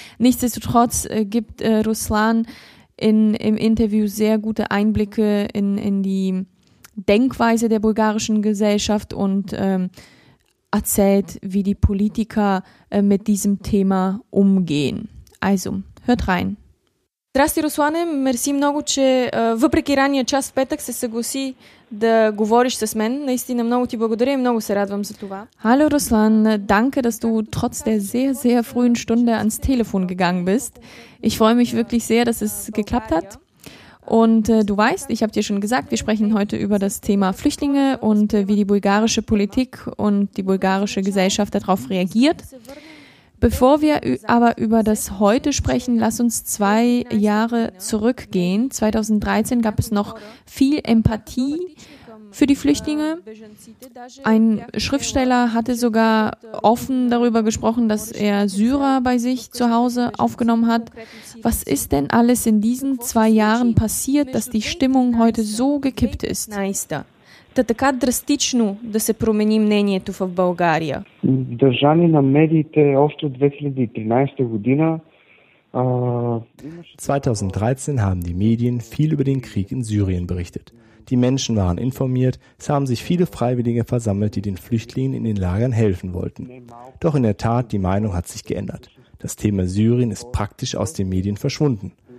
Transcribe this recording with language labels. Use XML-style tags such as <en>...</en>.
<de>Nichtsdestotrotz gibt Ruslan im Interview sehr gute Einblicke in die Denkweise der bulgarischen Gesellschaft und erzählt, wie die Politiker mit diesem Thema umgehen. Also, hört rein.</de> <bg>Здрасти, Руслане, мерси много, че въпреки ранния час в петък се съгласи да говориш с мен. Наистина много ти благодаря и много се радвам за това.</bg> <de>Hallo Ruslan, danke, dass du trotz der sehr, sehr frühen Stunde ans Telefon gegangen bist. Ich freue mich wirklich sehr, dass es geklappt hat. Und du weißt, ich habe dir schon gesagt, wir sprechen heute über das Thema Flüchtlinge und wie die bulgarische Politik und die bulgarische Gesellschaft darauf reagiert. Bevor wir aber über das heute sprechen, lass uns 2 Jahre zurückgehen. 2013 gab es noch viel Empathie für die Flüchtlinge. Ein Schriftsteller hatte sogar offen darüber gesprochen, dass er Syrer bei sich zu Hause aufgenommen hat. Was ist denn alles in diesen 2 Jahren passiert, dass die Stimmung heute so gekippt ist?</de> <bg>Та така драстично да се промени мнението в България. Държани на медиите още от 2013 година.</bg> <de>2013 haben die Medien viel über den Krieg in Syrien berichtet. Die Menschen waren informiert, es haben sich viele Freiwillige versammelt, die den Flüchtlingen in den Lagern helfen wollten. Doch in der Tat, die Meinung hat sich geändert. Das Thema Syrien ist praktisch aus den Medien verschwunden.</de>